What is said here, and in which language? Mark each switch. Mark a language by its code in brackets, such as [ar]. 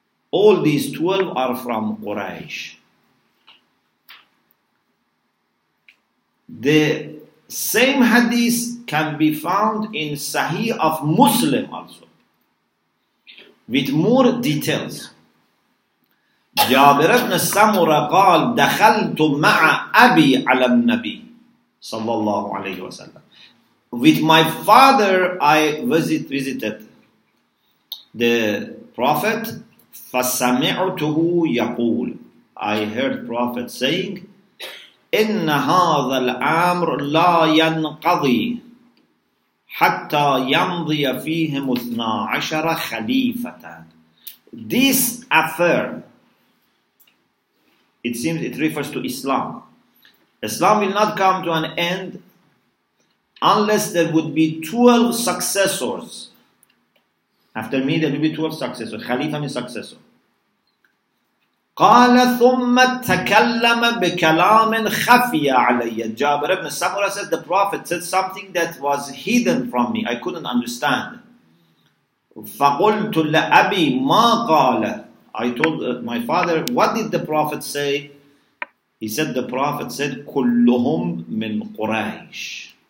[en] All these 12 are from Quraysh. The same hadith can be found in Sahih of Muslim also, with more details. [ar] Jabir ibn Samura قال دخلت مع أبي على النبي صلى الله عليه وسلم. [en] With my father I visited the Prophet. [ar] فسمعته يقول. [en] I heard Prophet saying, [ar] إن هذا الأمر لا ينقضي حتى يمضي فيهم 12 خليفة. [en] This affair, it seems it refers to Islam. Islam will not come to an end unless there would be 12 successors. After me, there will be 12 successors. Khalifa means successor. [ar] قال ثم تكلم بكلام خفي علي. [en] Jabir ibn Samura said, the Prophet said something that was hidden from me. I couldn't understand. [ar] فقلت لأبي ما قال. [en] I told my father, what did the Prophet say? He said, the Prophet said, [ar] كلهم من قريش.